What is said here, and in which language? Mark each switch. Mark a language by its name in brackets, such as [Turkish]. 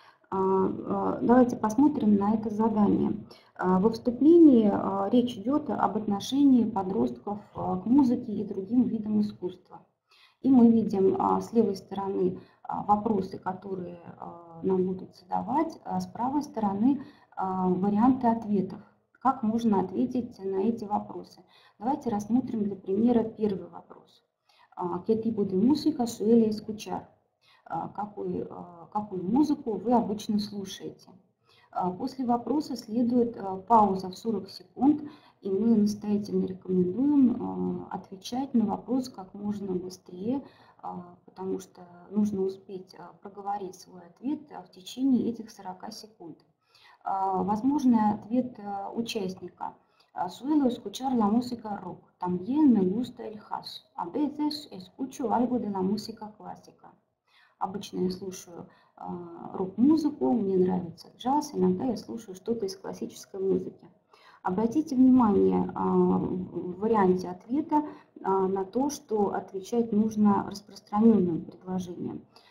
[Russian] Давайте посмотрим на это задание. Во вступлении речь идет об отношении подростков к музыке и другим видам искусства. И мы видим с левой стороны вопросы, которые нам будут задавать, с правой стороны варианты ответов. Как можно ответить на эти вопросы? Давайте рассмотрим для примера первый вопрос. [Spanish] «Qué tipo de música suele escuchar?» [Russian] Какую музыку вы обычно слушаете? После вопроса следует пауза в 40 секунд, и мы настоятельно рекомендуем отвечать на вопрос как можно быстрее, потому что нужно успеть проговорить свой ответ в течение этих 40 секунд. Возможный ответ участника. [Spanish] Suelo escuchar la música rock. También me gusta el jazz. A veces escucho algo de la música clásica. [Russian] Обычно я слушаю рок-музыку, мне нравится джаз, иногда я слушаю что-то из классической музыки. Обратите внимание в варианте ответа на то, что отвечать нужно распространенным предложением.